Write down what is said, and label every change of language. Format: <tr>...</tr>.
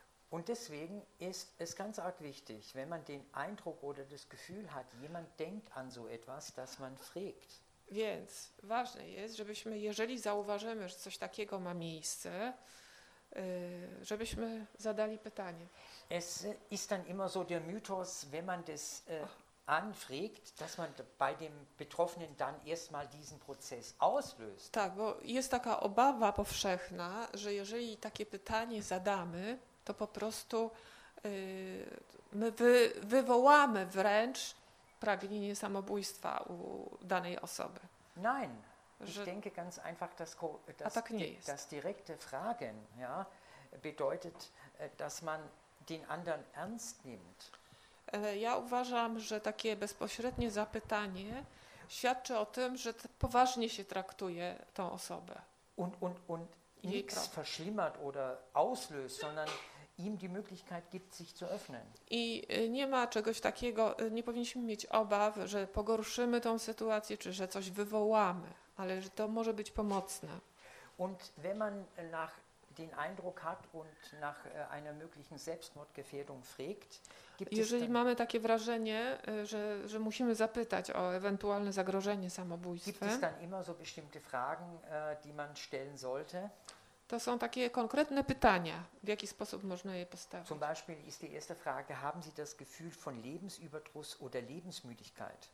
<de>Und deswegen ist es ganz arg wichtig, wenn man den Eindruck oder das Gefühl hat, jemand denkt an so etwas, dass man fragt.</de> <pl>Więc ważne jest, żebyśmy, jeżeli zauważymy, że coś takiego ma miejsce, żebyśmy zadali pytanie.</pl> <de>Es ist dann immer so der Mythos, wenn man das anfragt, dass man bei dem Betroffenen dann erstmal diesen Prozess auslöst.</de> <pl>Tak, bo jest taka obawa powszechna, że jeżeli takie pytanie zadamy, to po prostu my wywołamy wręcz pragnienie samobójstwa u danej osoby.</pl> <de>Nein. Ich denke ganz einfach, dass direkte Fragen, ja, bedeutet, dass man den anderen ernst nimmt.</de> <pl>Ja uważam, że takie bezpośrednie zapytanie świadczy o tym, że poważnie się traktuje tą osobę.</pl> <de>Und nichts verschlimmert oder auslöst, sondern ihm die Möglichkeit gibt, sich zu öffnen.</de> <pl>I nie ma czegoś takiego, nie powinniśmy mieć obaw, że pogorszymy tą sytuację, czy że coś wywołamy. Ale że to może być pomocne.</pl> <de>Und wenn man nach den Eindruck hat und nach einer möglichen Selbstmordgefährdung fragt, gibt es.</de> <pl>Jeżeli mamy takie wrażenie, że musimy zapytać o ewentualne zagrożenie samobójstwem.</pl> <de>Gibt es dann immer so bestimmte Fragen, die man stellen sollte?</de> <pl>To są takie konkretne pytania, w jaki sposób można je postawić.</pl> <de>Zum Beispiel ist die erste Frage, haben Sie das Gefühl von Lebensüberdruss oder Lebensmüdigkeit?</de>